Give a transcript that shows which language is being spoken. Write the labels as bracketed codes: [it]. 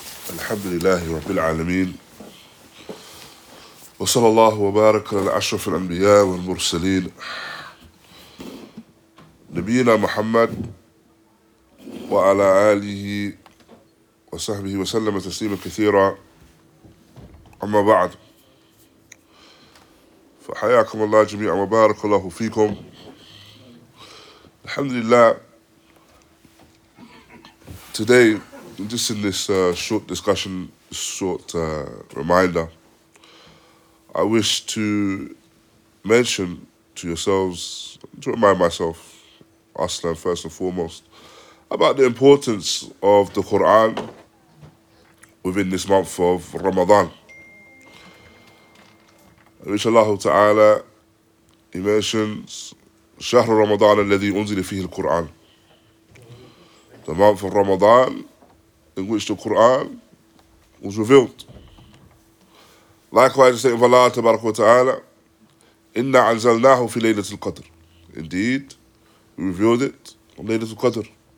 [ar] الحمد لله رب العالمين، وصلى الله وبارك على أشرف الأنبياء والمرسلين نبينا محمد وعلى آله وصحبه وسلم تسليما كثيرا، أما بعد، فحياكم الله جميعا وبارك الله فيكم. الحمد لله. [en] Today, just in this short discussion, short reminder, I wish to mention to yourselves, to remind myself, Aslan first and foremost, about the importance of the Quran within this month of Ramadan. Which Allah Ta'ala, He mentions [ar] شهر رمضان الذي أنزل فيه القرآن. [en] The month of Ramadan in which the Quran was revealed. Likewise, the statement of Allah Tabarak wa Ta'ala, [ar] إِنَّا عَنْزَلْنَاهُ فِي لَيْلَةِ الْقَدْرِ. [en] Indeed, we revealed it on لَيْلَةِ الْقَدْرِ.